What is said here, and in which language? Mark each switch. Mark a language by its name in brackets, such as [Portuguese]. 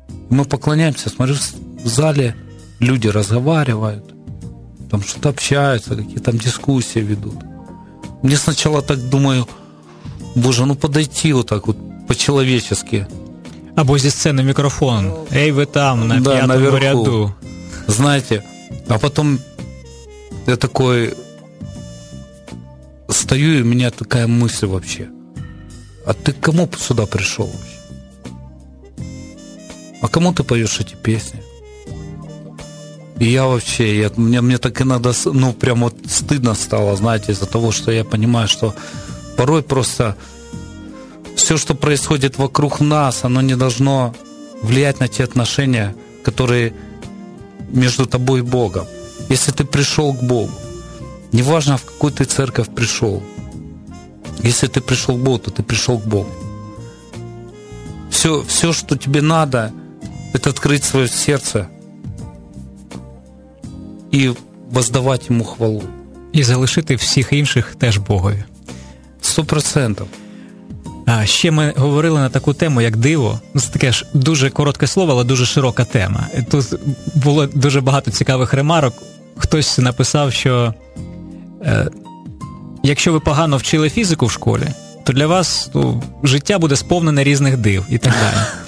[Russian] мы поклоняемся, смотрю, в зале люди разговаривают, там что-то общаются, какие-то там дискуссии ведут. Мне сначала так думаю, боже, ну подойти вот так вот по-человечески. [Ukrainian] Або зі сцени мікрофон. Ей, ви там, на п'ятому ряду. Знаєте, а потім я такий стою, і в мене така мисль взагалі. А ти кому сюди прийшов взагалі? А кому ти поєш ці пісні? І я взагалі, мені так іноді, ну, прямо стидно стало, знаєте, з-за того, що я розумію, що порой просто... [Russian] Все, что происходит вокруг нас, оно не должно влиять на те отношения, которые между тобой и Богом. Если ты пришел к Богу, неважно, в какую ты церковь пришел, если ты пришел к Богу, то ты пришел к Богу. Все, что тебе надо, это открыть свое сердце и воздавать Ему хвалу. [Ukrainian] И залишити всех інших теж Богові. 100%. А ще ми говорили на таку тему, як диво. Це таке ж дуже коротке слово, але дуже широка тема. Тут було дуже багато цікавих ремарок. Хтось написав, що якщо ви погано вчили фізику в школі, то для вас життя буде сповнене різних див і так далі.